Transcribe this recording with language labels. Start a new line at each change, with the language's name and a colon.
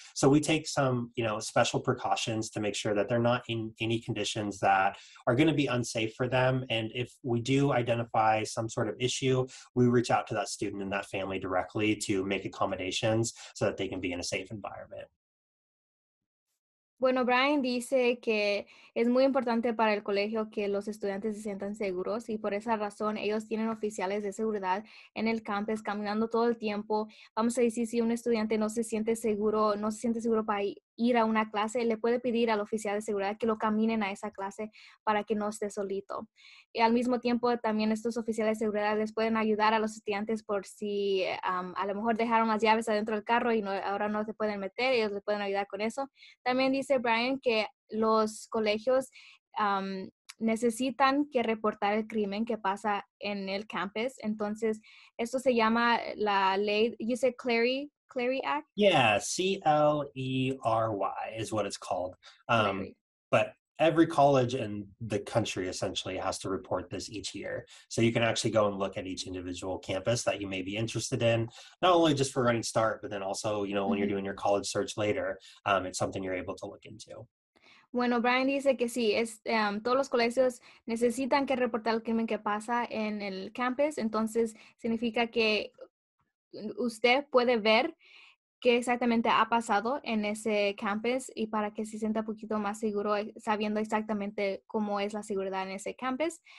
English: So we take some, special precautions to make sure that they're not in any conditions that are gonna be unsafe for them. And if we do identify some sort of issue, we reach out to that student and that family directly to make accommodations so that they can be in a safe environment.
Spanish: Bueno, Brian dice que es muy importante para el colegio que los estudiantes se sientan seguros y por esa razón ellos tienen oficiales de seguridad en el campus caminando todo el tiempo. Vamos a decir, si un estudiante no se siente seguro para ir a una clase, le puede pedir al oficial de seguridad que lo caminen a esa clase para que no esté solito. Y al mismo tiempo, también estos oficiales de seguridad les pueden ayudar a los estudiantes por si a lo mejor dejaron las llaves adentro del carro y no, ahora no se pueden meter, ellos les pueden ayudar con eso. También dice Brian que los colegios necesitan que reportar el crimen que pasa en el campus. Entonces, esto se llama la ley,
English: you said Clery Act? Yeah, C-L-E-R-Y is what it's called. But every college in the country essentially has to report this each year. So you can actually go and look at each individual campus that you may be interested in, not only just for Running Start, but then also, mm-hmm. when you're doing your college search later, it's something you're able to look into.
Spanish: Bueno, Brian dice que sí, todos los colegios necesitan que reportar el crimen que pasa en el campus. Entonces, significa que usted puede ver qué exactamente ha pasado en ese campus y para que se sienta un poquito más seguro sabiendo exactamente cómo es la seguridad en ese campus.